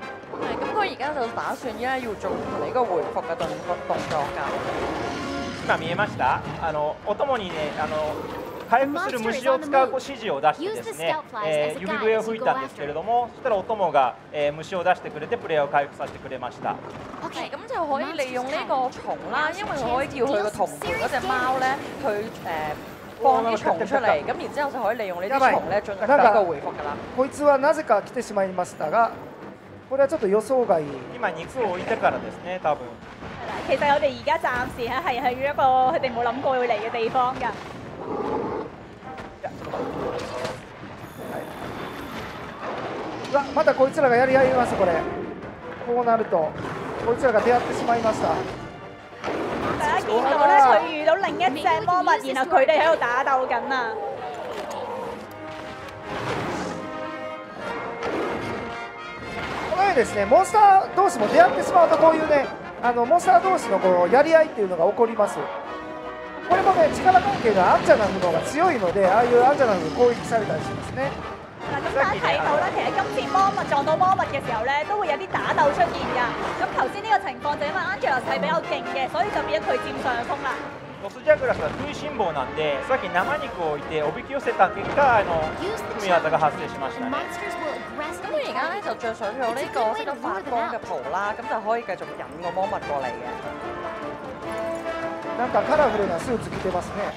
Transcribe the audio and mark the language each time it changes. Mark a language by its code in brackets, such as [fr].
[yue] 係，咁佢而家就打算依家要做呢個回復嘅動作噶。 [ja] 今見えました？あのお供にね、あの回復する虫を使う指示を出してですね、指笛を吹いたんですけれども、そしたらお供が、虫を出してくれてプレイヤーを回復させてくれました。 [yue] OK， 咁就可以利用呢個蟲啦，因為可以叫佢個同伴嗰只貓咧，去放啲蟲出嚟，咁然之後就可以利用呢啲蟲咧進行一個回復噶啦。 [ja] こいつはなぜか来てしまいましたが、これはちょっと予想外。今肉を置いてからですね、多分。 [yue] 其實我哋而家暫時咧係去一個佢哋冇諗過會嚟嘅地方噶。 [ja] うわ、またこいつらがやり合います。これこうなるとこいつらが出会ってしまいました。 [yue] 大家見到咧，佢遇到另一隻魔物，然後佢哋喺度打鬥緊啊！ [ja] このようにですね、モンスター同士も出会ってしまうとこういうね、あのモンスター同士のこうやり合いっていうのが起こります。これもね、力関係がアンジャナフの方が強いので、ああいうアンジャナフに攻撃されたりしますね。 [yue] 咁大家睇到咧，其實今次魔物撞到魔物嘅時候咧，都會有啲打鬥出現噶。咁頭先呢個情況就因為 Angela 係比較勁嘅，所以就變咗佢佔上風啦。 [ja] ボスジャグラスは食いしん坊なんで、さっき生肉を置いておびき寄せた結果、あの組み技が発生しましたね。 [yue] 咁而家咧就著上咗呢個識得發光嘅袍啦，咁就可以繼續引個魔物過嚟嘅。 [ja] なんかカラフルなスーツ着てますね。